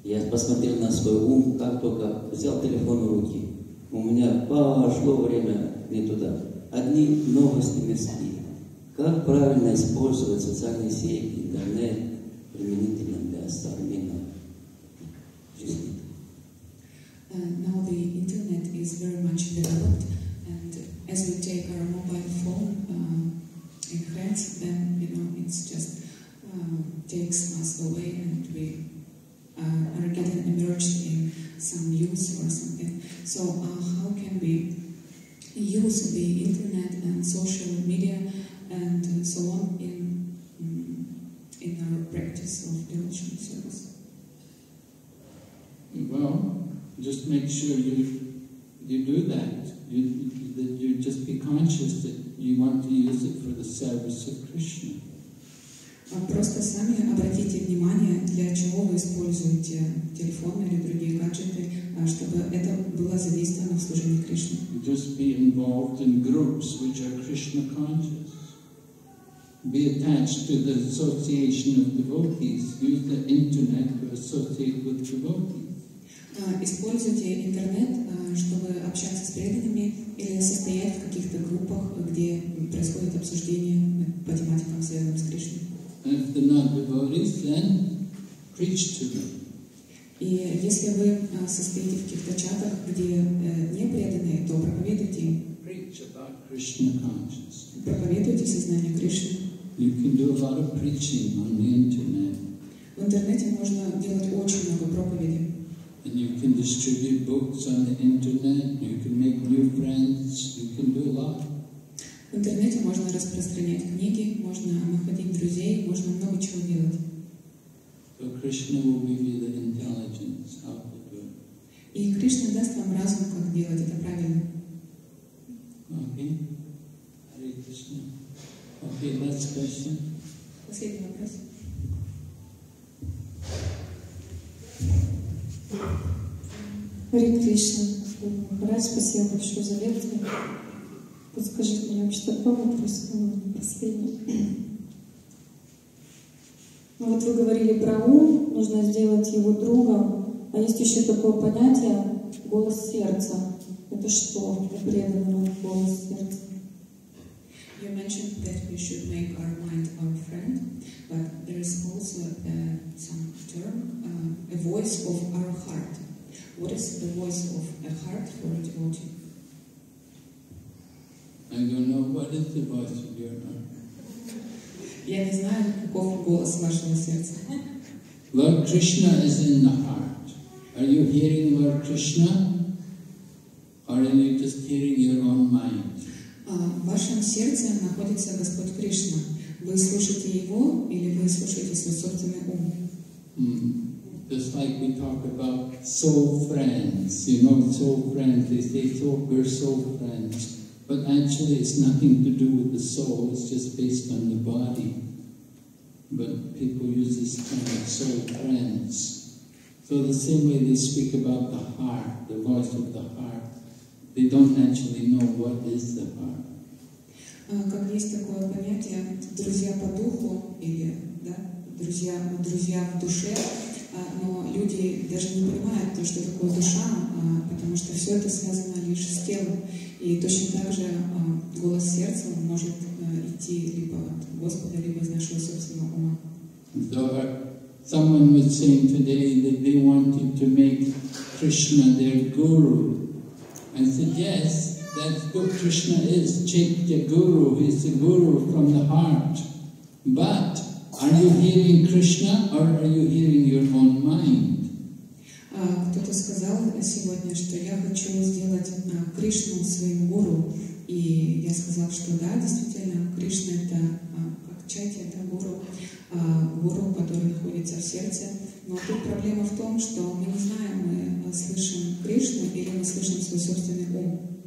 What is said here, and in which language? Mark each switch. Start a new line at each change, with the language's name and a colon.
Russian: Посмотрел на свой ум, как только взял телефон в руки. У меня пошло время не туда. Одни новости мирские. Как правильно использовать социальные сети, интернет, применительно для современного жизни?
English: Now the internet is very much developed, and as we take our mobile phone in hands, then you know it's just takes us away and we are getting immersed in some news or something. So how can we use the internet and social media and so on in our practice of devotional service? Well, just make sure you do that. You just be conscious that you want to use it for the service of Krishna.
Russian: Просто сами обратите внимание, для чего вы используете телефон или другие гаджеты, чтобы это было задействовано в служении Кришне.
English: Just be involved in groups which are Krishna conscious. Be attached to the association of devotees. Use the internet to associate with devotees.
Russian: Используйте интернет, чтобы общаться с преданными или состоять в каких-то группах, где происходит обсуждение по тематикам, связанным с Кришной.
English: And if they're not devotees, then preach to them.
Russian: И если вы состоите в каких-то чатах, где не преданные, то проповедуйте им.
English: Preach Krishna consciousness.
Russian: Проповедуйте сознание Кришны.
English: You can do a lot of preaching on the internet.
Russian: В интернете можно делать очень много проповедей.
English: And you can distribute books on the internet. You can make new friends. You can do a lot.
Russian: В интернете можно распространять книги, можно находить друзей, можно много чего делать.
English: So Krishna will give you the intelligence how to do it.
Russian: И Кришна даст вам разум, как делать это правильно.
English: Okay. Hare Krishna. Okay, last question.
Russian: Последний вопрос.
English: Hare Krishna.
Russian: Раз, спасибо большое за лекцию. Подскажите мне вообще такой вопрос, последний. Ну вот вы говорили про ум, нужно сделать его другом. А есть еще такое понятие — голос сердца. Это что? Преданный голос сердца.
English: You mentioned that we should make our mind our friend, but there is also some term, a voice of our heart. What is the voice of a heart for a devotee? I don't know. What is the voice of your heart?
Russian: Я не знаю, каков голос вашего сердца.
English: Lord Krishna is in the heart. Are you hearing Lord Krishna? Or are you just hearing your own mind?
Russian: В вашем сердце находится Господь Кришна. Вы слушаете Его или вы слушаете свой собственный ум?
English: Just like we talk about soul friends. You know, soul friends, they say, we're soul friends. But actually it's nothing to do with the soul, it's just based on the body. But people use this term of soul friends. So the same way they speak about the heart, the voice of the heart, they don't actually know what is the heart.
Russian: Как есть такое понятие «друзья по духу» или «друзья в душе», но люди даже не понимают то, что такое душа, потому что все это связано лишь с телом. И точно так же голос сердца может идти либо от Господа, либо из нашего собственного ума.
English: So, someone was saying today that they wanted to make Krishna their guru. I said, yes, that's what Krishna is, Chaitya Guru, he's the guru from the heart. But are you hearing Krishna or are you hearing your own mind?
Russian: Кто-то сказал сегодня, что я хочу сделать Кришну своим гуру. И я сказал, что да, действительно, Кришна — это как Чайти, это гуру, гуру, который находится в сердце. Но тут проблема в том, что мы не знаем, мы слышим Кришну или мы слышим свой собственный ум.